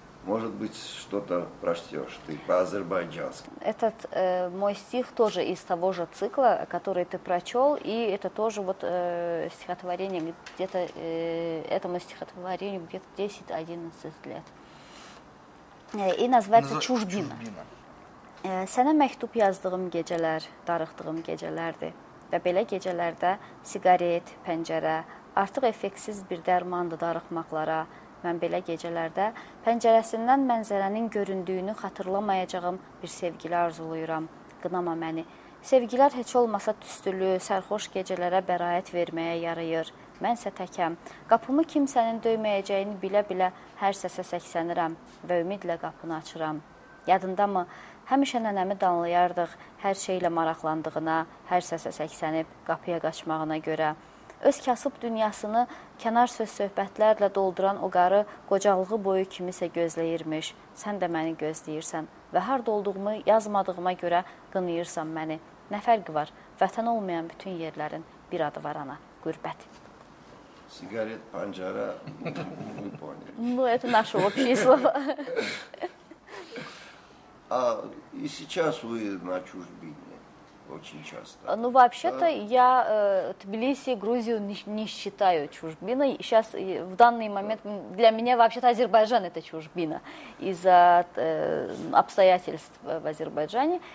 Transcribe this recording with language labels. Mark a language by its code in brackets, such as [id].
[ru] Может быть, что-то прочтешь ты по-азербайджански. Этот мой стих тоже из того же цикла, который ты прочел, и это тоже вот стихотворение, где-то этому стихотворению где-то 10-11 лет. И называется «Чужбина». [az] Sənə məktub yazdığım gecələr, darıxdığım gecələrdir. Və belə gecələrdə siqaret, pəncərə, artıq effektsiz bir dərmandı darıxmaqlara. Mən belə gecələrdə pəncərəsindən mənzərənin göründüyünü xatırlamayacağım bir sevgili arzuluyuram. Qınama məni. Sevgilər heç olmasa tüstülü, sərxoş gecələrə bəraət verməyə yarayır. Mən isə təkəm. Qapımı kimsənin döyməyəcəyini bilə-bilə hər səsə səksənirəm və ümidlə qapını açıram. Yadındamı? Həmişə nənəmi danlayardıq hər şeylə maraqlandığına, hər səsə səksənib qapıya qaçmağına görə. Öz kasıb dünyasını kənar söz söhbətlərlə dolduran o qarı qocalığı boyu kimisə gözləyirmiş. Sən də məni gözləyirsən və harada olduğumu yazmadığıma görə qınıyırsan məni. Nə fərqi var? Vətən olmayan bütün yerlərin bir adı var ana, qürbət. Sigaret, pancara, [ru] Bu, это наше общее слово. А и сейчас вы на чужбине очень часто? Ну, вообще-то, да? я Тбилиси, Грузию не считаю чужбиной. Сейчас, в данный момент, да. для меня вообще-то Азербайджан – это чужбина из-за обстоятельств в Азербайджане.